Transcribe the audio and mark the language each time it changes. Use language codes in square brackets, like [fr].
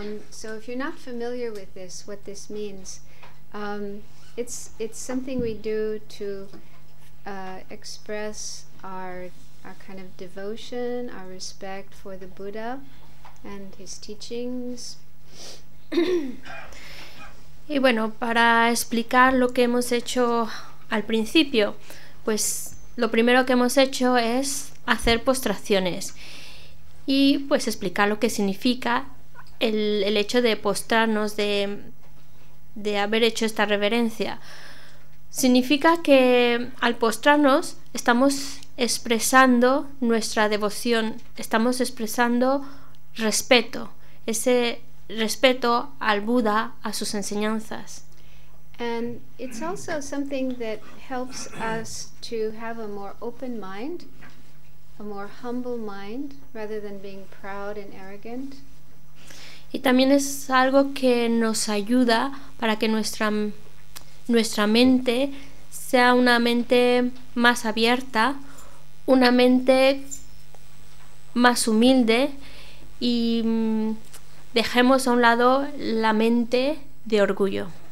[en] So if you're not familiar with this, what this means, it's something we do to express our kind of devotion, our respect for the Buddha and his teachings. [es] Y bueno, para explicar lo que hemos hecho al principio, pues lo primero que hemos hecho es hacer postraciones y pues explicar lo que significa el hecho de postrarnos, de haber hecho esta reverencia. Significa que al postrarnos estamos expresando nuestra devoción, estamos expresando respeto, ese respeto al Buda, a sus enseñanzas. [en] And it's also something that helps us to have a more open mind, a more humble mind, rather than being proud and arrogant. [es] Y también es algo que nos ayuda para que nuestra mente sea una mente más abierta, una mente más humilde, y dejemos a un lado la mente de orgullo.